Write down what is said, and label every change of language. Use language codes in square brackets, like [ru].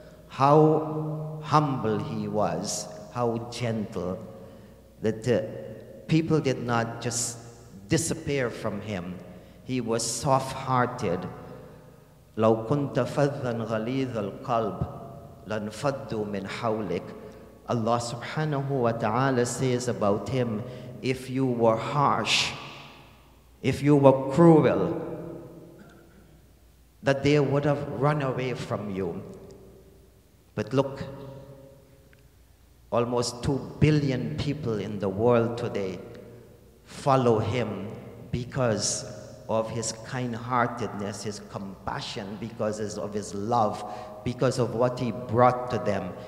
[en] How humble he was, how gentle, that people did not just disappear from him. He was soft-hearted. [ar] لو كنت فذاً غليظ القلب لنفضوا من حولك. [en] Allah subhanahu wa ta'ala says about him, if you were harsh, if you were cruel, that they would have run away from you. But look, almost 2 billion people in the world today follow him because of his kind-heartedness, his compassion, because of his love, because of what he brought to them.